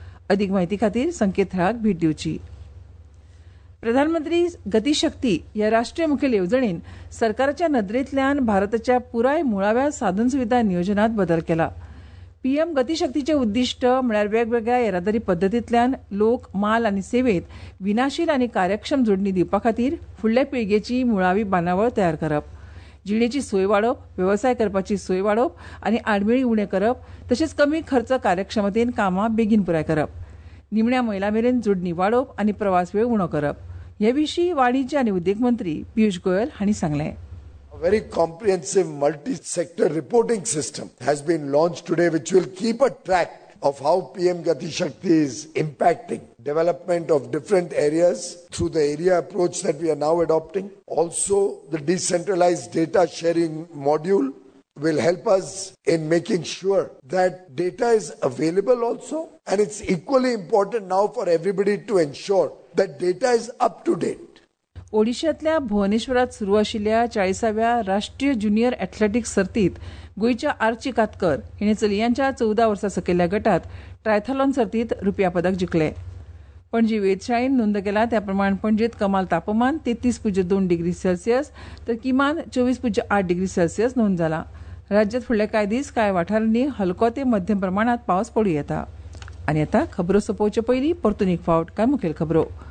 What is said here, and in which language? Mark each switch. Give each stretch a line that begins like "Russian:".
Goan Konkani: अधिक म्हायती खातीर संकेतथळाक भेट दिवची. प्रधानमंत्री गतीशक्ती या राष्ट्रीय मुखेल येवजणेन सरकाराच्या नदरेतल्यान भारताच्या पुराय मुळाव्या साधन सुविधा नियोजनात बदल केला. पीएम गतीशक्तीचे उद्दिष्ट म्हळ्यार वेगवेगळ्या येरादारी पद्दतींतल्यान लोक, माल आनी सेवेत विनाशील आनी कार्यक्षम जोडणी दिवपा खातीर फुडल्या पिळगेची मुळावी बांदावळ तयार करप, जिणेची सोय वाडोवप, वेवसाय करपाची सोय वाडोवप आनी आडमेळी उणे करप, तशेंच कमी खर्च कार्यक्षमतेन कामां बेगीन पुराय करप, निमण्या मैला मेरेन जोडणी वाडोवप आनी प्रवास वेळ उणो करप, हे विशीं वाणिज्य आनी उद्देग मंत्री पियुश गोयल हांणी सांगलें.
English: Very comprehensive multi-sector reporting system has been launched today, which will keep a track of how PM Gati Shakti is impacting development of different areas through the area approach that we are now adopting. Also, the decentralized data sharing module will help us in making sure that data is available also. And it's equally important now for everybody to ensure that data is up to date.
Goan Konkani: ओडिशातल्या भुवनेश्वरात सुरू आशिल्ल्या 40व्या राष्ट्रीय junior athletics सर्तीत गोंयच्या Archie कातकर हिणे चलियांच्या 14 वर्सा सकयल्ल्या गटात triathlon सर्तीत रुपया पदक जिखले. पणजी वेधशाळेन नोंद केला त्याप्रमाण पणजेत कमाल तापमान 33.2 डिग्री सेल्सियस तर किमान 24.8 डिग्री सेल्सियस नोंद जाला. राज्यात फुडले कांय दीस कांय वाठारांनी हलको ते मध्यम प्रमाणात पावस पडूं येता. आनी आतां खबरो सोंपोवचे पयली परतून एक फावट कांय मुखेल खबरो.